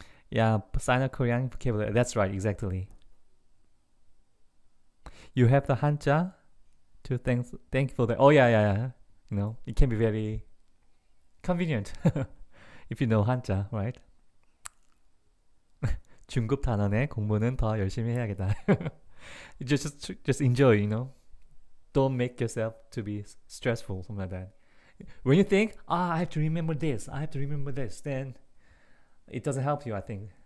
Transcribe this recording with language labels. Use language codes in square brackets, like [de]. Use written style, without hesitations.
[en] Yeah, Sino-Korean vocabulary, that's right, exactly. You have the hanja to thank for that. Oh, yeah. You know, it can be very convenient if you know 한자, right? [ko] 중급 단원의 공부는 더 열심히 해야겠다. [en] just enjoy, you know. Don't make yourself to be stressful, something like that. When you think, I have to remember this, I have to remember this, then it doesn't help you, I think.